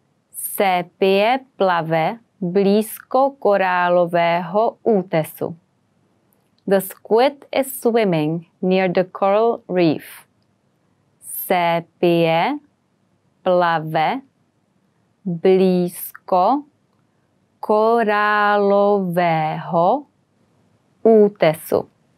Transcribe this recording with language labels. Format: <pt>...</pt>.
<cs>Sépie plave blízko korálového útesu.</cs> <en>The squid is swimming near the coral reef.</en> <cs>Sépie plave blízko korálového útesu.</cs>